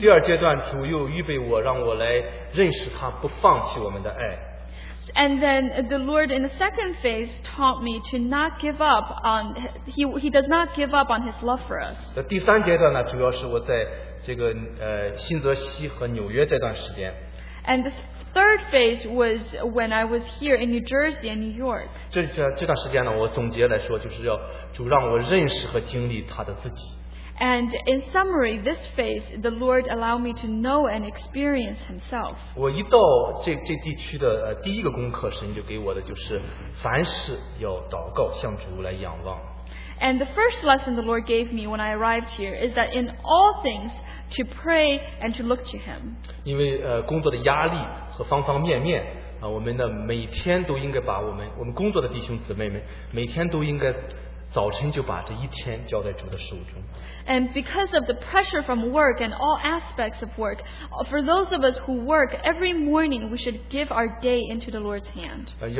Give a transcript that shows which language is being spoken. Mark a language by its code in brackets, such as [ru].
[zh] 第二阶段主又预备我，让我来认识他，不放弃我们的爱。 [en] And then the Lord in the second phase taught me to not give up on, he does not give up on his love for us. [zh] 第三阶段呢，主要是我在这个新泽西和纽约这段时间。 [en] And the third phase was when I was here in New Jersey and New York. [zh] 这段时间呢，我总结来说就是要主让我认识和经历他的自己。 [en] And in summary, this phase, the Lord allowed me to know and experience Himself. [zh] 我一到这地区的第一个功课, 神就给我的就是, 凡事要祷告向主来仰望。 [en] And the first lesson the Lord gave me when I arrived here is that in all things, to pray and to look to Him. [zh] 因为工作的压力和方方面面, 我们工作的弟兄姊妹们每天都应该 [en] And because of the pressure from work and all aspects of work, for those of us who work, every morning we should give our day into the Lord's hand.